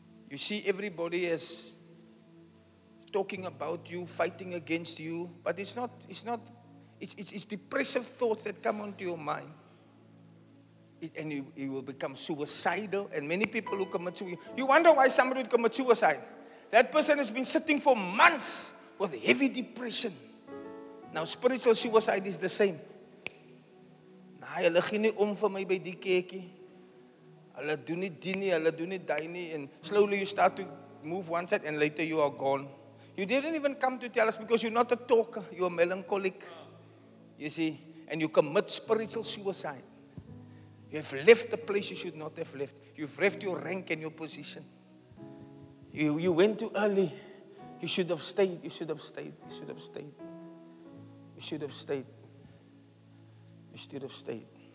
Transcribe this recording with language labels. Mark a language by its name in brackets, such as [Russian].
[English] You see, everybody is talking about you, fighting against you, but it's depressive thoughts that come onto your mind. And you will become suicidal, and many people who commit suicide. You wonder why somebody would commit suicide. That person has been sitting for months with heavy depression. Now, spiritual suicide is the same. [Afrikaans] Hulle gee nie om vir my by die kerkie. Hulle doen nie die nie, hulle doen nie die nie. [English] And slowly you start to move one side and later you are gone. You didn't even come to tell us because you're not a talker. You're a melancholic. You see? And you commit spiritual suicide. You have left the place you should not have left. You've left your rank and your position. You went too early. You should have stayed. You should have stayed. You should have stayed. You should have stayed. You should have stayed.